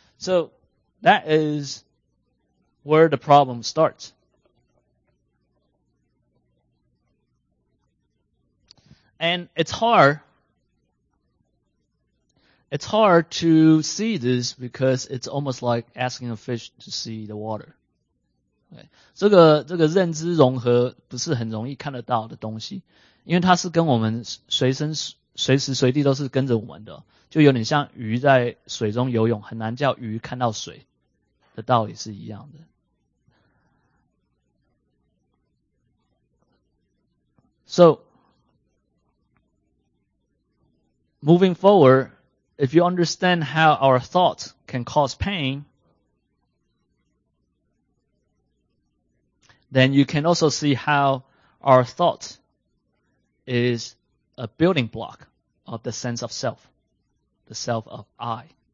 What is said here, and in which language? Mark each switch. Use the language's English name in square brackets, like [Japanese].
[English] So that is where the problem starts. And it's hard to see this because it's almost like asking a fish to see the water. Okay. [Chinese] 这个认知融合不是很容易看得到的东西，因为它是跟我们随身随时随地都是跟着我们的，就有点像鱼在水中游泳，很难叫鱼看到水的道理是一样的。 [English] So, moving forward, if you understand how our thoughts can cause pain, then you can also see how our thoughts is a building block of the sense of self, the self of I.